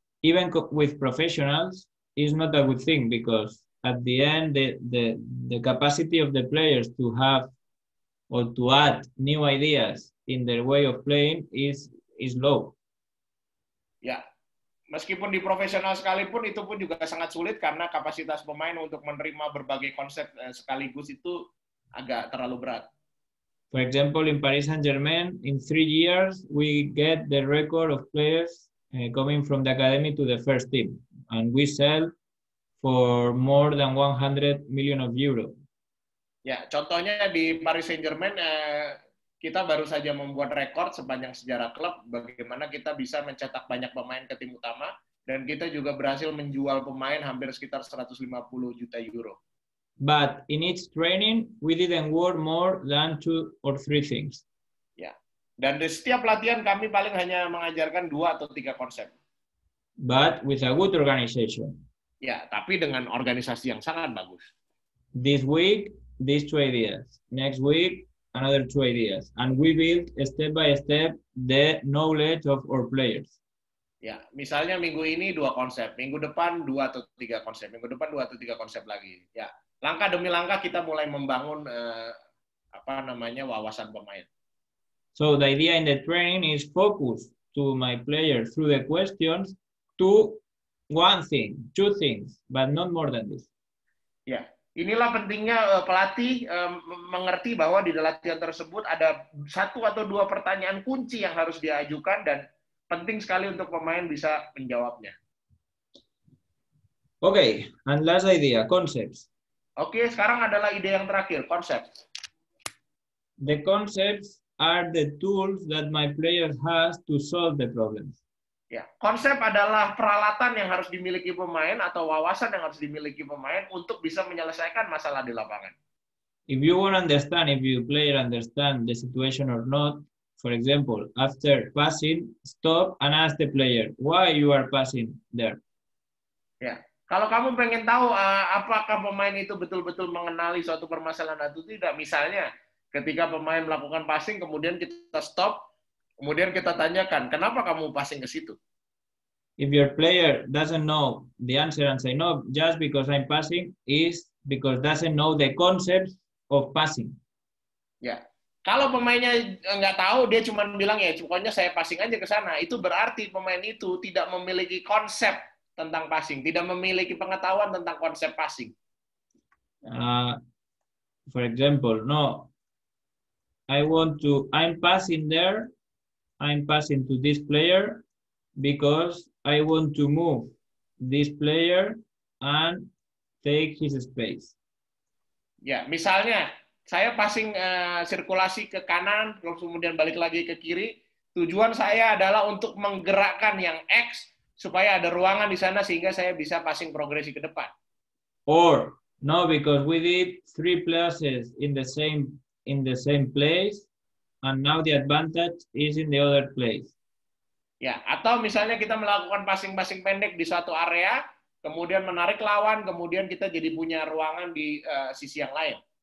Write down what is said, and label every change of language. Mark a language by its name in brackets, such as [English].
[English] Even with professionals is not a good thing because at the end the capacity of the players to have or to add new ideas in their way of playing is low. [Indonesian] Ya, meskipun di profesional sekalipun itu pun juga sangat sulit karena kapasitas pemain untuk menerima berbagai konsep sekaligus itu agak terlalu berat. [English] For example, in Paris Saint-Germain, in 3 years, we get the record of players coming from the academy to the first team. And we sell for more than 100 million of euro. [Indonesian] Ya, contohnya di Paris Saint-Germain, kita baru saja membuat rekor sepanjang sejarah klub bagaimana kita bisa mencetak banyak pemain ke tim utama. Dan kita juga berhasil menjual pemain hampir sekitar 150 juta euro. [English] But in each training, we didn't work more than 2 or 3 things. [Indonesian] Yeah. Dan di setiap latihan, kami paling hanya mengajarkan 2 atau 3 konsep. [English] But with a good organization. [Indonesian] Yeah, tapi dengan organisasi yang sangat bagus. [English] This week, these 2 ideas. Next week, another 2 ideas. And we build step by step the knowledge of our players. [Indonesian] Ya, misalnya minggu ini 2 konsep, minggu depan 2 atau 3 konsep, minggu depan 2 atau 3 konsep lagi. Ya, langkah demi langkah kita mulai membangun wawasan pemain. [English] So the idea in the training is focus to my player through the questions to one thing, 2 things, but not more than this. [Indonesian] Ya, inilah pentingnya pelatih mengerti bahwa di latihan tersebut ada 1 atau 2 pertanyaan kunci yang harus diajukan dan penting sekali untuk pemain bisa menjawabnya. [English] Okay, and last idea, concepts. [Indonesian] Okay, sekarang adalah ide yang terakhir, concepts. [English] The concepts are the tools that my player has to solve the problems. [Indonesian] Ya, konsep adalah peralatan yang harus dimiliki pemain atau wawasan yang harus dimiliki pemain untuk bisa menyelesaikan masalah di lapangan. [English] If you want to understand if your player understand the situation or not, for example, after passing, stop and ask the player why you are passing there. [Indonesian] Ya, kalau kamu pengen tahu apakah pemain itu betul-betul mengenali suatu permasalahan atau tidak, misalnya ketika pemain melakukan passing, kemudian kita stop, kemudian kita tanyakan kenapa kamu passing ke situ. [English] If your player doesn't know the answer and say no, just because I'm passing is because doesn't know the concepts of passing. Ya. Yeah. [Indonesian] Kalau pemainnya nggak tahu, dia cuma bilang, ya pokoknya saya passing aja ke sana. Itu berarti pemain itu tidak memiliki konsep tentang passing. Tidak memiliki pengetahuan tentang konsep passing. [English] For example, no. I'm passing there. I'm passing to this player because I want to move this player and take his space. [Indonesian] Ya, misalnya, saya passing sirkulasi ke kanan, terus kemudian balik lagi ke kiri. Tujuan saya adalah untuk menggerakkan yang X supaya ada ruangan di sana sehingga saya bisa passing progresi ke depan. [English] Or, no, because we did 3 passes in the same place and now the advantage is in the other place. [Indonesian] Ya, atau misalnya kita melakukan passing-passing pendek di suatu area, kemudian menarik lawan, kemudian kita jadi punya ruangan di sisi yang lain.